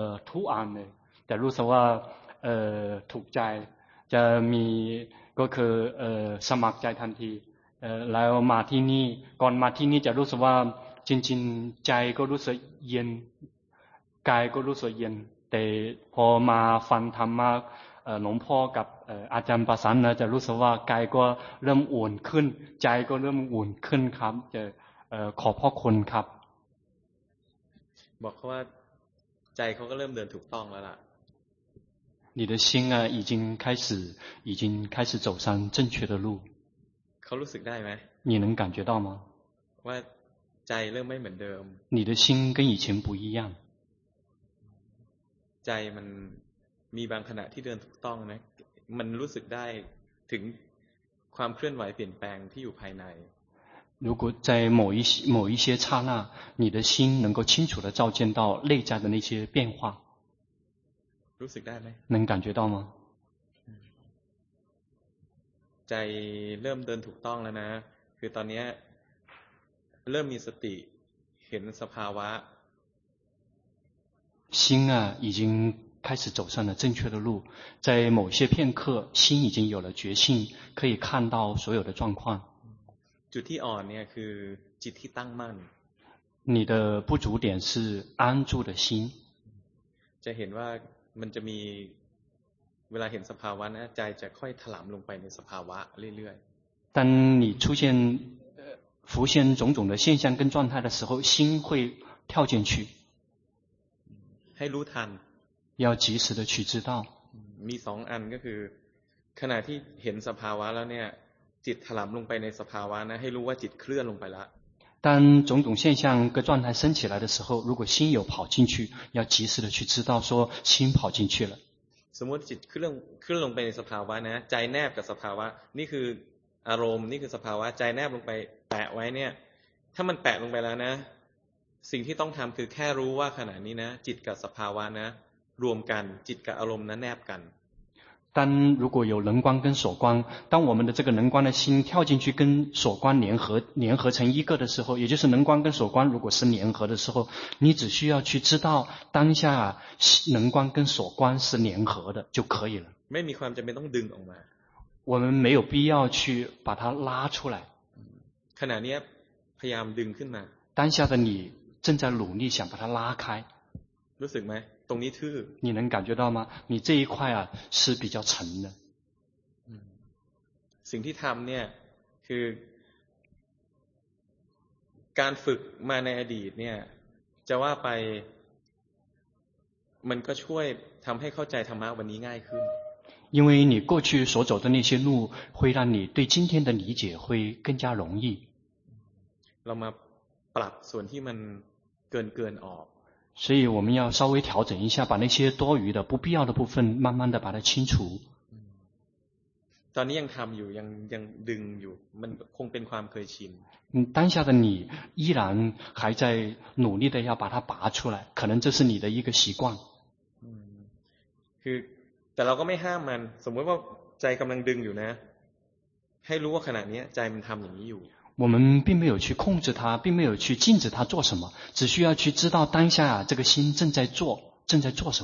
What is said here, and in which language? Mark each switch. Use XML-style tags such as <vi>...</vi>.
<th>ทุกอันเลยจะรู้สึกว่าถูกใจจะมีก็คือสมัครใจทันทีแล้วมาที่นี่ก่อนมาที่นี่จะรู้สึกว่าจริงๆใจก็รู้สึกเย็นกายก็รู้สึกเย็นแต่พอมาฟังธรรมะหลวงพ่อกับอาจารย์ประสานนะจะรู้สึกว่ากายก็เริ่มอุ่นขึ้นใจก็เริ่มอุ่นขึ้นครับจะขอพ่อคุณครับ บอกเขาว่าใจเขาก็เริ่มเดินถูกต้องแล้วล่ะ</th> <zh>你的心啊已经开始走上正确的路</zh> <th>เขารู้สึกได้ไหม</th> <zh>你能感觉到吗</zh> <th>ว่า ใจเริ่มไม่เหมือนเดิม</th> <zh>你的心跟以前不一样</zh> <th>ใจมันมีบางขณะที่เดินถูกต้องนะมันรู้สึกได้ถึงความเคลื่อนไหวเปลี่ยนแปลงที่อยู่ภายใน</th> <zh>如果在某一些刹那你的心能够清楚地照见到内在的那些变化</zh> <th>รู้สึกได้ไ หม</th> <zh>能感觉到吗</zh> <th>ใจเริ่มเดินถูกต้องแล้วนะคือตอนนี้เริ่มมีสติเห็นสภาวะ</th> <zh>心啊已经开始走上了正确的路在某些片刻心已经有了觉性可以看到所有的状况</zh> <th>จุดที่อ่อนเนี่ยคือจิตที่ตั้งมั่น</th> <zh>你的不足点是安住的心</zh> <th>จะเห็นว่ามันจะมีเวลาเห็นสภาวะนะใจจะค่อยถลำลงไปในสภาวะเรื่อย</th> <zh>ๆ当你出现浮现种种的现象跟状态的时候心会跳进去</zh> <th>ให้รู้ทัน</th> <zh>要及时的去知道</zh> <th>มีสองอันก็คือขณะที่เห็นสภาวะแล้วเนี่ยจิตถลำลงไปในสภาวะนะให้รู้ว่าจิตเคลื่อนลงไปละ</th> <zh>当种种现象跟状态升起来的时候如果心有跑进去要及时的去知道说心跑进去了</zh> <th>สมมติจิตขึ้นลงไปในสภาวะนะใจแนบกับสภาวะนี่คืออารมณ์นี่คือสภาวะใจแนบลงไปแปะไว้เนี่ยถ้ามันแปะลงไปแล้วนะสิ่งที่ต้องทำคือแค่รู้ว่าขณะนี้นะจิตกับสภาวะนะรวมกันจิตกับอารมณ์นั้นแนบกัน</th> <zh>当如果有能观跟所观当我们的这个能观的心跳进去跟所观联合成一个的时候也就是能观跟所观如果是联合的时候你只需要去知道当下能观跟所观是联合的就可以了没</zh> <th>มีความจำเป็นต้องดึงออกมา</th> <zh>我们没有必要去把它拉出来</zh> <th>ขณะนี้พยายามดึงขึ้นมา</th> <zh>当下的你正在努力想把它拉开</zh> <th>รู้สึกไหมตรงนี้ทื่อ</th> <zh>你能感觉到吗你这一块啊是比较沉的</zh> <th>สิ่งที่ทำเนี่ยคือการฝึกมาในอดีตเนี่ยจะว่าไปมันก็ช่วยทำให้เข้าใจธรรมะวันนี้ง่ายขึ้น</th> <zh>因为你过去所走的那些路会让你对今天的理解会更加容易</zh> <th>เรามาปรับส่วนที่มันเกินออก</th> <zh>所以我们要稍微调整一下把那些多余的不必要的部分慢慢的把它清除</zh> <th>ตอนนี้ยังทำอยู่ยังดึงอยู่มันคงเป็นความเคยชิน</th> <zh>当下的你依然还在努力的要把它拔出来可能这是你的一个习惯</zh> <th>คือแต่เราก็ไม่ห้ามมันสมมติว่าใจกำลังดึงอยู่นะให้รู้ว่าขณะนี้ใจมันทำอย่างนี้อยู่</th> <zh>我们并没有去控制它并没有去禁止它做什么只需要去知道当下这个心正在做什</zh>